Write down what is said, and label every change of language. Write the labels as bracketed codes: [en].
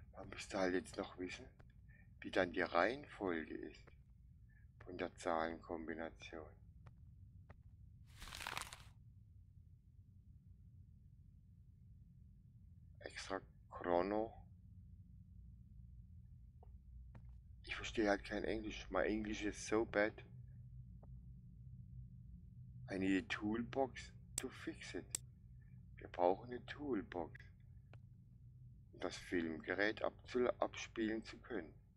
[de] Müsste halt jetzt noch wissen, wie dann die Reihenfolge ist von der Zahlenkombination. Extra Chrono. Ich verstehe halt kein Englisch. Mein Englisch ist so [en] bad. I need a toolbox to fix it. [de] Wir brauchen eine Toolbox. Das Filmgerät abspielen zu können.